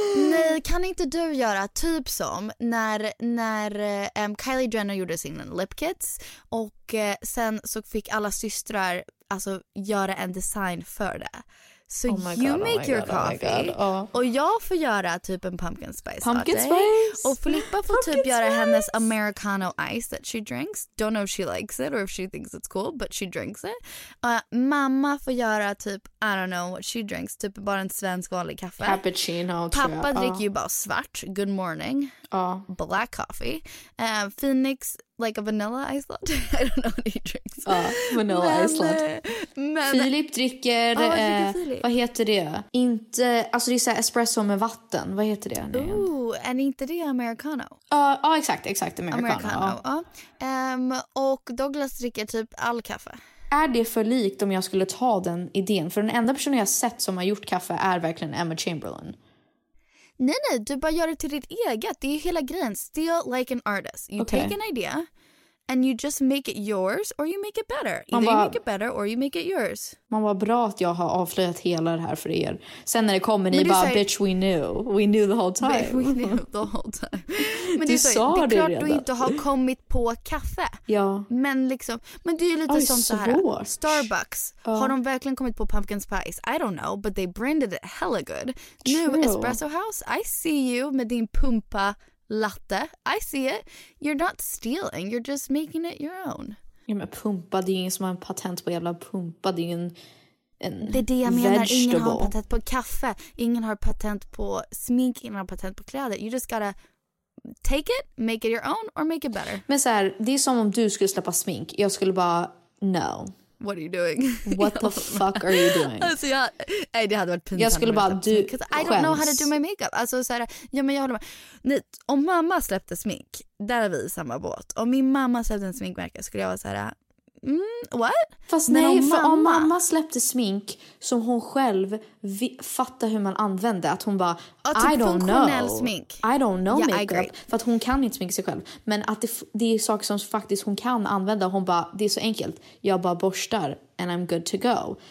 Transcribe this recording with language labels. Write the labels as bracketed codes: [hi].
[sv] Nej, kan inte du göra typ som när Kylie Jenner gjorde sina lip kits, och sen så fick alla systrar alltså göra en design för det. [en] So you make your coffee. [sv] Och jag får göra typ en pumpkin spice latte. Pumpkin spice. Och Filippa får typ göra hennes americano ice [en] that she drinks. Don't know if she likes it or if she thinks it's cool, but she drinks it. [sv] Mamma får göra typ, [en] I don't know what she drinks, [sv] typ bara en svensk vanlig kaffe. Cappuccino. Pappa dricker ju bara svart. [en] Good morning. Black coffee. Phoenix, like a vanilla ice latte. I don't know what he drinks. [sv] Vanilla ice latte. Filip dricker... vad heter det? Inte, alltså det är så här espresso med vatten. Vad heter det? Är inte det americano? Exakt. Americano. Och Douglas dricker typ all kaffe. Är det för likt om jag skulle ta den idén? För den enda personen jag har sett som har gjort kaffe är verkligen Emma Chamberlain. Nej, du bara gör det till ditt eget. Det är ju hela grejen. Still like an artist. [en] You take an idea and you just make it yours or you make it better. You make it better or you make it yours. [sv] Man, var bra att jag har avflöjat hela det här för er. Sen när det kommer, ni bara, [en] bitch, we knew. We knew the whole time. We knew the whole time. [sv] Men du sa det redan. Det är klart du inte har kommit på kaffe. Ja. Men liksom, men det är ju lite som så här. Starbucks. Har de verkligen kommit på pumpkin spice? [en] I don't know, but they branded it hella good. True. New Espresso House, I see you [sv] med din pumpa latte. [en] I see it. You're not stealing. You're just making it your own. [sv] Ja, men pumpa, det är ingen som har en patent på jävla pumpa. Det är en det är det jag menar. Ingen har patent på kaffe. Ingen har patent på smink. Ingen har patent på kläder. [en] You just gotta take it, make it your own, or make it better. [sv] Men såhär, det är som om du skulle släppa smink. Jag skulle bara, no. [en] What are you doing? What the fuck are you doing? [sv] Alltså det hade varit pinsamt. Jag skulle bara, du, skäms. [en] I don't know how to do my makeup. [sv] Alltså såhär, ja men jag håller med. Nej, om mamma släppte smink, där är vi i samma båt. Om min mamma släppte en sminkmärke skulle jag vara såhär, what? Fast nej, om mamma släppte smink som hon själv fattar hur man använder, att hon bara, [en] I don't know makeup. [sv] För att hon kan inte sminka sig själv. Men att det är saker som faktiskt hon kan använda. Hon bara, det är så enkelt. Jag bara borstar [en] and I'm good to go.